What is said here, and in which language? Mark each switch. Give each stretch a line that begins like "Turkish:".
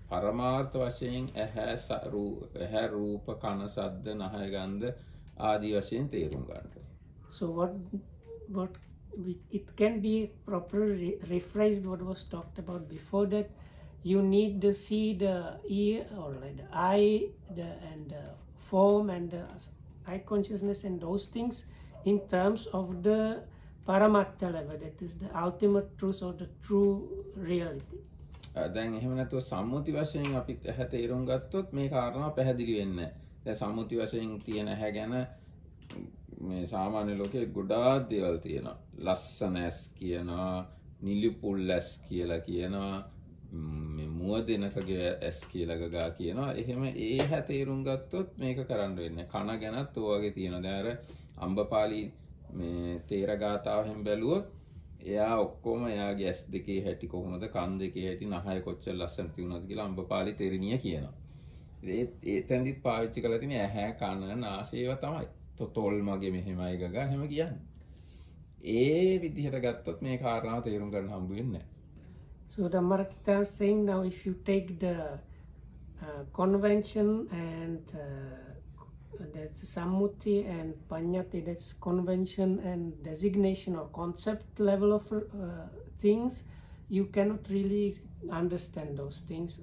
Sinhala: පරමාර්ථ වශයෙන් ඇහැ රූප කන සද්ද නහය ගන්ධ ආදී වශයෙන් තේරුම් ගන්න.
English: So what it can be properly rephrased what was talked about before that you need to see the ear or like the eye and the form and the eye consciousness and those things in terms of the paramatta level that is the ultimate truth or the true reality.
Sinhala: දැන් එහෙම නැතුව සම්මුති වශයෙන් අපි ඇහැ තේරුම් ගත්තොත් මේ කාරණාව පැහැදිලි වෙන්නේ නැහැ. දැන් සම්මුති වශයෙන් තියෙන ඇහැ ගැන මේ සාමාන්‍ය ලෝකේ ගොඩාක් දේවල් තියෙනවා. ලස්සන ඇස් කියනවා, නිලිපුල් ඇස් කියලා කියනවා, මේ මුවදෙනකගේ ඇස් කියලා ගා කියනවා. එහෙම ඒ ඇහැ තේරුම් ගත්තොත් මේක කරන්න වෙන්නේ. කන ගැනත් ඔයගෙ තියෙනවා. දැන් අර අම්බපාලි මේ තේරගාතාව හැම බැලුවොත් එයා ඔක්කොම එයාගේ ඇස් දෙකේ හැටි කොහොමද කන් දෙකේ හැටි නහය කොච්චර ලස්සන තියුණාද කියලා අම්බපාලි තෙරණිය කියනවා. ඒ එතනදිත් පාවිච්චි කරලා තියෙන්නේ ඇහැ කන නාසය ඒවා තමයි. තොල් මගේ මෙහෙමයි ගගා හැම කියන්නේ. ඒ විදිහට ගත්තොත් මේ කාරණාව තේරුම් ගන්න හම්බු වෙන්නේ නැහැ.
English: So the market are saying now if you take the convention and that's sammuti and panyati, that's convention and designation or concept level of things, you cannot really understand those things.